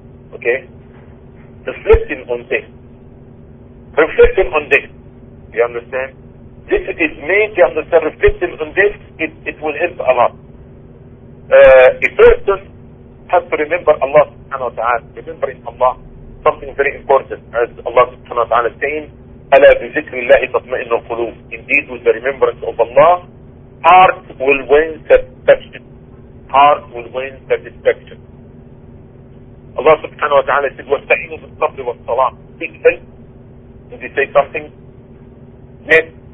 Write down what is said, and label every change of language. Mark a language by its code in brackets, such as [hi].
[en] Okay? Reflecting on this. Reflecting on this. You understand? This is made, you understand, reflecting on this, it will help a lot. A person has to remember Allah subhanahu wa ta'ala. Remembering Allah, something very important. As Allah subhanahu wa ta'ala saying, [ar] ألا بذكر الله تطمئن القلوب. [en] Indeed, with the remembrance of Allah, heart will win satisfaction. Heart will win satisfaction. Allah subhanahu wa ta'ala said, [ar] وَاسْتَعِينُوا بِالصَّبْرِ وَالصَّلَاةِ. [en] Seek help. Did he say something? Yes.